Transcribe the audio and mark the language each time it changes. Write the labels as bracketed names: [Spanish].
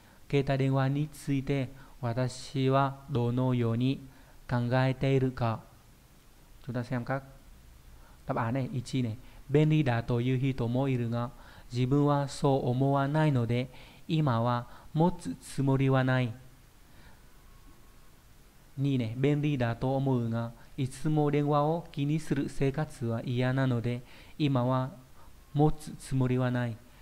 [Japanese] 携帯電話について私はどのように考えているか。 [Vietnamese] Chúng ta xem các đáp án này. 1 này. [Japanese] 便利だという人もいるが、自分はそう思わないので、今は持つつもりはない。 2ね。便利だと思うが、いつも電話を気にする生活は嫌なので、今は持つつもりはない。